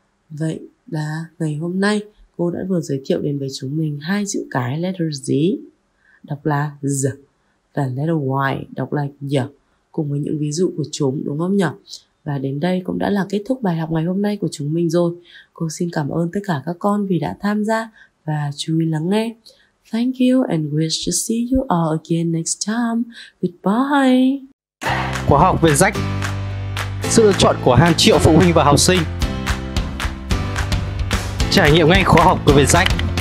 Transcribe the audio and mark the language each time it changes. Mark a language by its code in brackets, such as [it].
[vi] Vậy là ngày hôm nay cô đã vừa giới thiệu đến với chúng mình hai chữ cái letter Z, đọc là Z và letter Y đọc là nhở, cùng với những ví dụ của chúng, đúng không nhở? Và đến đây cũng đã là kết thúc bài học ngày hôm nay của chúng mình rồi. Cô xin cảm ơn tất cả các con vì đã tham gia và chú ý lắng nghe. [en] Thank you and wish to see you all again next time. Goodbye. [vi] Khóa học Việt Rách, sự lựa chọn của hàng triệu phụ huynh và học sinh. Trải nghiệm ngay khóa học của Việt Rách.